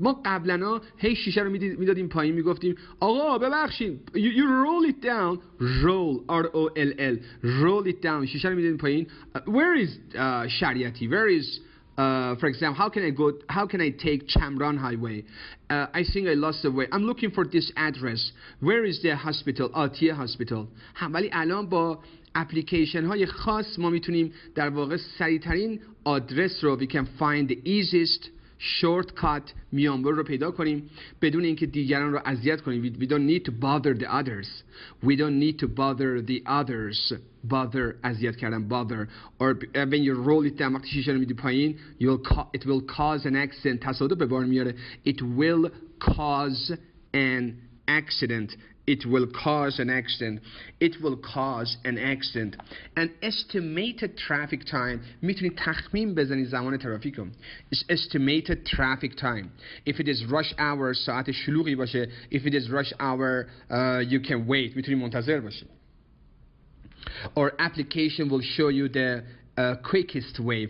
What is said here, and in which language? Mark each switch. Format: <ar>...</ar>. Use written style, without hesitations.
<fa>ما قبلا هی شیشه رو میدادیم پایین, میگفتیم آقا ببخشید,</fa> <en>you roll it down,</en> <fa>roll, r o l l, roll it down, شیشه رو میدادیم پایین.</fa> <en>Where is شریعتی, where is for example, how can I take Chamran Highway? I think I lost the way. I'm looking for this address. Where is the hospital? Atiya Hospital.</en> <fa>هم ولی الان با اپلیکیشن های خاص ما میتونیم در واقع سریع ترین آدرس رو,</fa> <en>we can find the easiest shortcut,</en> <fa>میانبر رو پیدا کنیم بدون اینکه دیگران رو اذیت کنیم.</fa> <en>We don't need to bother the others. We don't need to bother the others. Bother,</en> <fa>اذیت کردن,</fa> <en>bother. Or when you roll it down,</en> <fa>وقتی شیشه رو میدی پایین,</fa> <en>it will cause an accident.</en> <fa>تصادف به بار میاره.</fa> <en>It will cause an accident. It will cause an accident. It will cause an accident. An estimated traffic time.</en> <fa>میتونی تخمین بزنی زمان ترافیک رو.</fa> <en>It's estimated traffic time. If it is rush hour,</en> <fa>ساعت شلوغی باشه.</fa> <en>If it is rush hour, you can wait.</en> <fa>میتونی منتظر باشی.</fa> <en>Or application will show you the quickest way.</en>